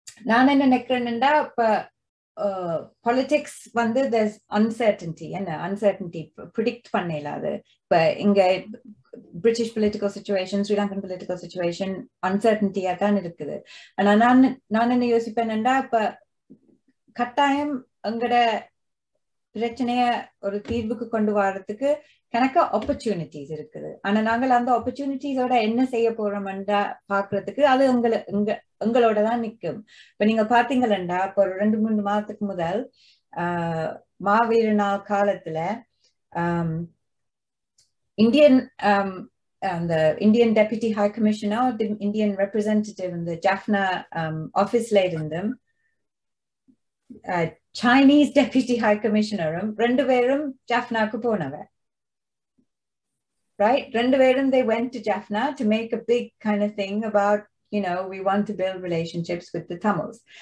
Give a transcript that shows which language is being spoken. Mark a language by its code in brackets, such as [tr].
[ta] நான் என்ன நினைக்கிறேன்டா, இப்ப பாலிடிக்ஸ் வந்து [en] There's uncertainty. [ta] என்ன அன்சர்டன்டி ப்ரிடிக்ட் பண்ண இல்லாது. இப்ப இங்க [en] British political situation, Sri Lankan political situation, uncertainty [ta] அதான் இருக்குது. ஆனா நான் என்ன யோசிப்பேன்டா, இப்ப கட்டாயம் எங்கட பிரச்சனைய ஒரு தீர்வுக்கு கொண்டு வரதுக்கு கணக்க ஆப்பர்ச்சுனிட்டிஸ் இருக்குது. ஆனா நாங்கள் அந்த ஆப்பர்ச்சுனிட்டிஸோட என்ன செய்ய போறோம்ன்றா பாக்குறதுக்கு அது எங்களோட தான் நிற்கும். இப்ப நீங்க பாத்தீங்களா, இப்ப ஒரு 2-3 மாதத்துக்கு முதல் மாவீரனால் காலத்துல Indian deputy high கமிஷனா Indian representative இந்த ஜாஃப்னா ஆபீஸ்ல இருந்தும் சைனீஸ் டெபியூட்டி ஹை கமிஷனரும் ரெண்டு பேரும் ஜாஃப்னாக்கு போனவர். [en] Right, Rendaveeram, they went to Jaffna to make a big kind of thing about, you know, we want to build relationships with the Tamils.